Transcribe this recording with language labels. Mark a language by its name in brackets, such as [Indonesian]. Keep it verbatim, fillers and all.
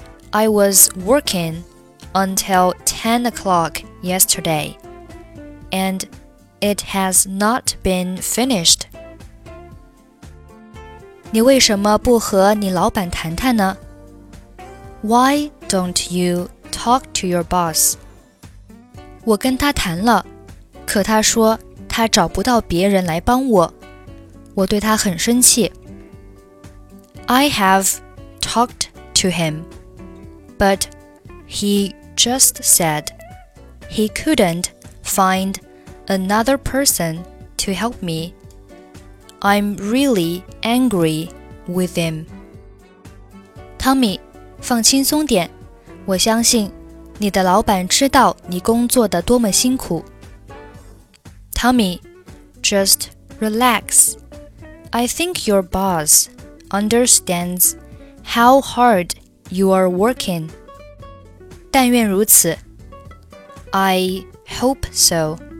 [English] I was working until ten o'clock yesterday, and it has not been finished. [Chinese] 你为什么不和你老板谈谈呢？ [English] Why don't you talk to your boss? [Chinese] 我跟他谈了，可他说他找不到别人来帮我，我对他很生气。 [English] I have talked to him, but he just said he couldn't find another person to help me. I'm really angry with him. [Chinese] Tommy, 放轻松点，我相信你的老板知道你工作得多么辛苦。 [English] Tommy, just relax. I think your boss understands how hard you are working. [Chinese] 但愿如此。 [English] I hope so.